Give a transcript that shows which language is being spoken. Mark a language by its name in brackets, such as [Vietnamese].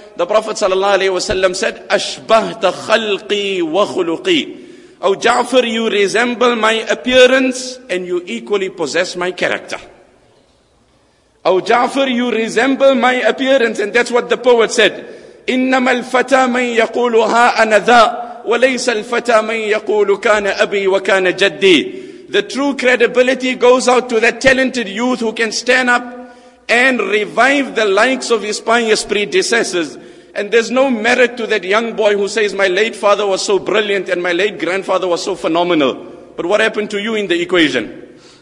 [English] The Prophet sallallahu alaihi wasallam said, [Arabic] "Ashbahta khalqi wa khuluqi." [English] O Ja'far, you resemble my appearance and you equally possess my character. O Ja'far, you resemble my appearance, and that's what the poet said. [Arabic] إنما الفتى من يقولها أنا ذا وليس الفتى من يقول كان أبي وكان جدي. [English] The true credibility goes out to that talented youth who can stand up and revive the likes of his pious predecessors. And there's no merit to that young boy who says, my late father was so brilliant and my late grandfather was so phenomenal. But what happened to you in the equation?